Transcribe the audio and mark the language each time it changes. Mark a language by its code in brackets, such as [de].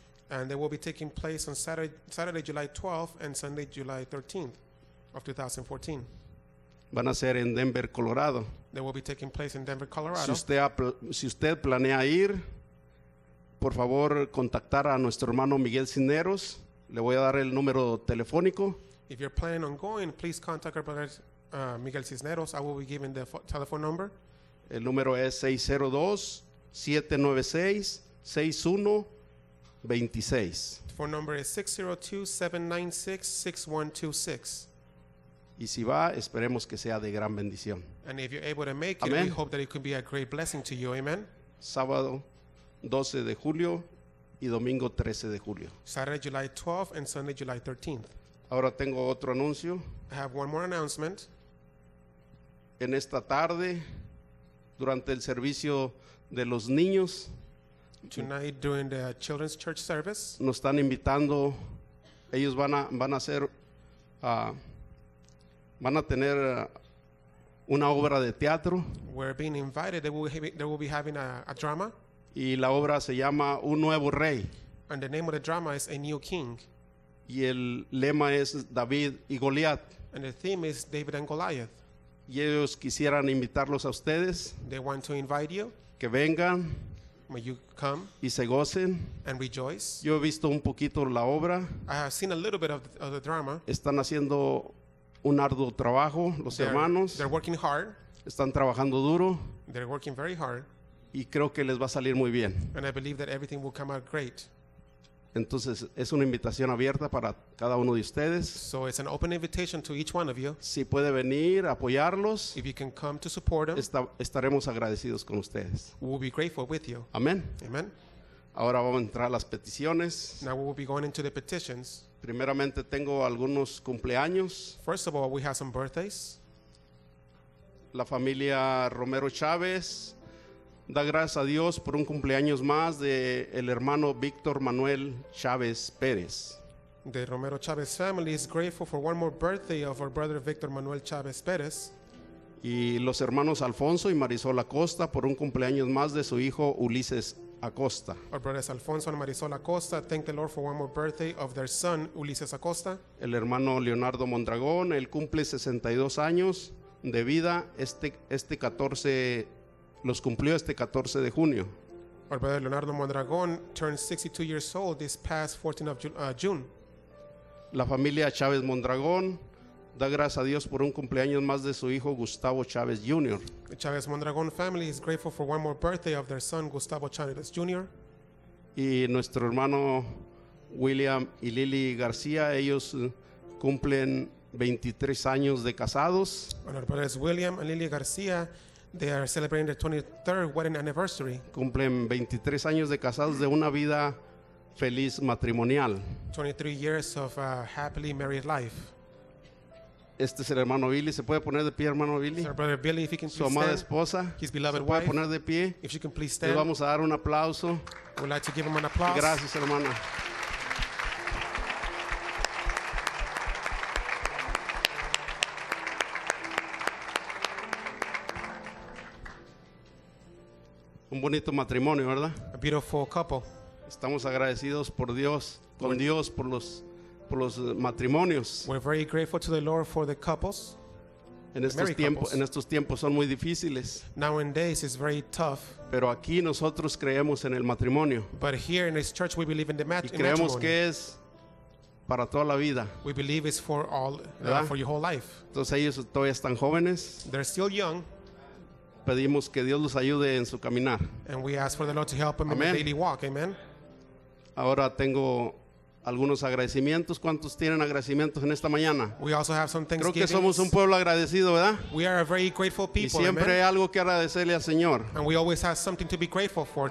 [en] And they will be taking place on Saturday, July 12th and Sunday, July 13th of 2014. [es] Van a ser en Denver, Colorado. [en] They will be taking place in Denver, Colorado. [es] Si usted planea ir, por favor, contactar a nuestro hermano Miguel Cineros. Le voy a dar el número telefónico. [en] If you're planning on going, please contact our brother Miguel Cisneros. I will be giving the telephone number. [es] El número es 602-796-6126. [en] The phone number is 602-796-6126. [es] Y si va, esperemos que sea de gran bendición. [en] And if you're able to make it, amen, we hope that it could be a great blessing to you. Amen. [es] Sábado 12 de julio y domingo 13 de julio. [en] Saturday, July 12th and Sunday, July 13th. [es] Ahora tengo otro anuncio. [en] I have one more announcement. [es] En esta tarde, durante el servicio de los niños, [en] tonight during the children's church service, [es] nos están invitando. Ellos van a tener una obra de teatro. [en] We're being invited. They will be having a drama. [es] Y la obra se llama Un Nuevo Rey. [en] And the name of the drama is A New King. [es] Y el lema es David y Goliat. [en] And the theme is David and Goliath. [es] Y ellos quisieran invitarlos a ustedes. [en] They want to invite you. [es] Que vengan. [en] May you come. [es] Y se gocen. [en] And rejoice. [es] Yo he visto un poquito la obra. [en] I have seen a little bit of the drama. [es] Están haciendo un arduo trabajo los hermanos. [en] They're working hard. [es] Están trabajando duro. [en] They're working very hard. [es] Y creo que les va a salir muy bien. [en] And I believe that everything will come out great. [es] Entonces es una invitación abierta para cada uno de ustedes. [en] So it's an open invitation to each one of you. [es] Si puede venir a apoyarlos, [en] if you can come to support them, [es] estaremos agradecidos con ustedes. [en] We'll be grateful with you. [es] Amén. [en] Amen. [es] Ahora vamos a entrar a las peticiones. [en] Now we will be going into the petitions. [es] Primeramente tengo algunos cumpleaños. [en] First of all, we have some birthdays. [es] La familia Romero Chávez da gracias a Dios por un cumpleaños más de el hermano Víctor Manuel Chávez Pérez. [en] The Romero Chávez family is grateful for one more birthday of our brother Víctor Manuel Chávez Pérez. [es] Y los hermanos Alfonso y Marisol Acosta por un cumpleaños más de su hijo Ulises Acosta. [en] Our brothers Alfonso and Marisol Acosta thank the Lord for one more birthday of their son Ulises Acosta. [es] El hermano Leonardo Mondragón, él cumple 62 años de vida este 14 de junio. Los cumplió este 14 de junio. [en] Our brother Leonardo Mondragón turned 62 years old this past 14th of June. [es] La familia Chávez Mondragón da gracias a Dios por un cumpleaños más de su hijo Gustavo Chávez Jr. [en] The Chávez Mondragón family is grateful for one more birthday of their son Gustavo Chávez Jr. [es] Y nuestro hermano William y Lily García, ellos cumplen 23 años de casados. [en] And our brothers William and Lily García, they are celebrating their 23rd wedding anniversary. [es] Cumplen 23 años de casados de una vida feliz matrimonial. [en] 23 years of a happily married life. [es] Este es el hermano Billy. ¿Se puede poner de pie, hermano Billy? [en] Our brother Billy, if he can [es] su amada [en] stand, [es] esposa. [en] His beloved [es] ¿se puede [en] wife, [es] poner de pie? [en] If she can please stand. [es] Le vamos a dar un aplauso. [en] We'd like to give him an applause. [es] Gracias, hermana. Un bonito matrimonio, ¿verdad? [en] A beautiful couple. [es] Estamos agradecidos por Dios, con Dios por los matrimonios. [en] We're very grateful to the Lord for the couples. [es] En estos tiempos son muy difíciles. [en] Nowadays it's very tough. [es] Pero aquí nosotros creemos en el matrimonio. [en] But here in this church we believe in the matrimony. [es] Y creemos que es para toda la vida. [en] We believe it's for all, for your whole life. [es] Entonces ellos todavía están jóvenes. [en] They're still young. [es] Pedimos que Dios los ayude en su caminar. [en] And we ask for the Lord to help him in the daily walk. Amen. [es] Ahora tengo algunos agradecimientos. ¿Cuántos tienen agradecimientos en esta mañana? [en] We also have some thanksgivings. [es] Creo que somos un pueblo agradecido, ¿verdad? [en] We are a very grateful people. [es] Y siempre [en] amen. [es] Hay algo que agradecerle al Señor. [en] And we always have something to be grateful for